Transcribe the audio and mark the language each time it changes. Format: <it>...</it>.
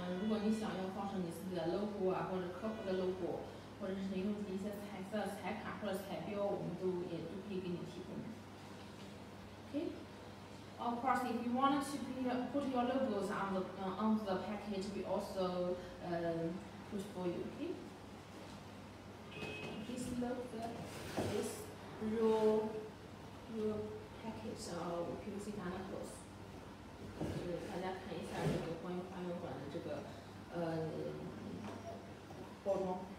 <zh>关于这个花园馆，它的包装是在所有的馆子中包装是最多的，就是通常的话，一般就是这种透明的伸缩膜，然后还有这个热缩膜，再就是我们也可以放上一些纸卡，如果你想要放上你自己的 logo 啊，或者客户的 logo。或者是用一些彩色彩卡或者彩标，我们都可以给你提供。Okay.</zh> <en>Of course, if you wanted to put your logos on the package, we also put for you. Okay. This logo, this raw package of PVC panels.</en> <zh>大家看一下这个关于花园馆的这个包装。</zh>